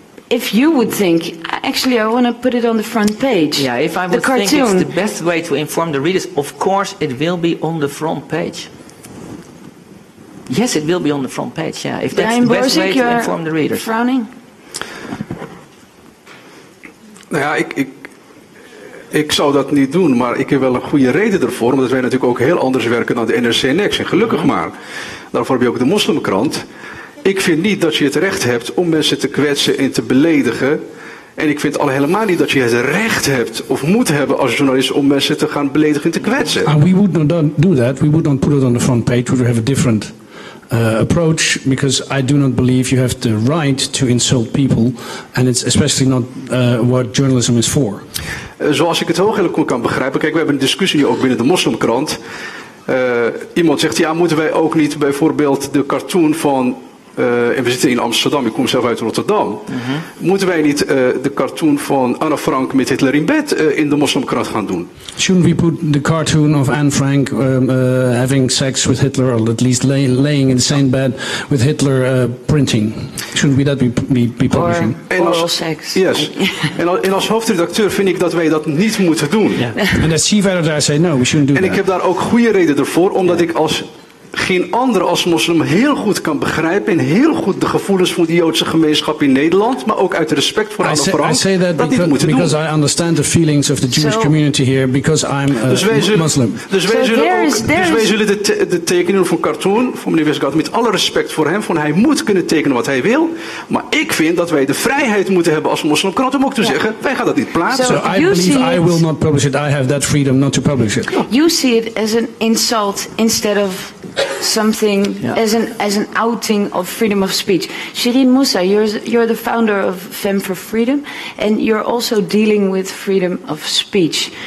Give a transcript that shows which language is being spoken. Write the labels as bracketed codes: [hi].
[en] If you would think, actually, I want to put it on the front page. Yeah, if I would cartoon, think it's the best way to inform the readers, of course it will be on the front page. Yes, it will be on the front page, yeah. If that's the best way to inform the readers. You're frowning? [nl] Nou ja, ik zou dat niet doen, maar ik heb wel een goede reden ervoor, omdat wij natuurlijk ook heel anders werken dan de NRC Next. En gelukkig maar, daarvoor heb je ook de Moslimkrant. Ik vind niet dat je het recht hebt om mensen te kwetsen en te beledigen. En ik vind al helemaal niet dat je het recht hebt of moet hebben als journalist om mensen te gaan beledigen en te kwetsen. [en] We would not do that. We would not put it on the front page. We would have a different approach, because I do not believe you have the right to insult people. And it's especially not what journalism is for. [nl] Zoals ik het hooggelijk kan begrijpen. Kijk, we hebben een discussie nu ook binnen de Moslimkrant. Iemand zegt, ja, moeten wij ook niet bijvoorbeeld de cartoon van En we zitten in Amsterdam, ik kom zelf uit Rotterdam. Mm-hmm. Moeten wij niet de cartoon van Anne Frank met Hitler in bed in de Moslimkrant gaan doen? [en] Shouldn't we put the cartoon of Anne Frank having sex with Hitler, or at least laying in the same bed with Hitler printing? Shouldn't we that be publishing? Oral sex. Yes. [nl] En als hoofdredacteur vind ik dat wij dat niet moeten doen. [en] En yeah. Chief editor zei, no, we shouldn't do that. [nl] En ik heb daar ook goede reden ervoor, omdat yeah. ik als geen ander als moslim heel goed kan begrijpen en heel goed de gevoelens van de Joodse gemeenschap in Nederland, maar ook uit respect voor Anne Frank, [en] say that [nl] dat niet moeten [en] because [nl] doen. [en] I understand the feelings of the Jewish community here because I'm a Muslim. [nl] Dus wij zullen de tekening van cartoon van meneer Westgaard met alle respect voor hem, van hij moet kunnen tekenen wat hij wil, maar ik vind dat wij de vrijheid moeten hebben als moslim krant om ook te zeggen, wij gaan dat niet plaatsen. [en] So I believe I will not publish it. I have that freedom not to publish it. You see it as an insult instead of something as an outing of freedom of speech. Shirin Moussa, you're the founder of Femme for Freedom, and you're also dealing with freedom of speech.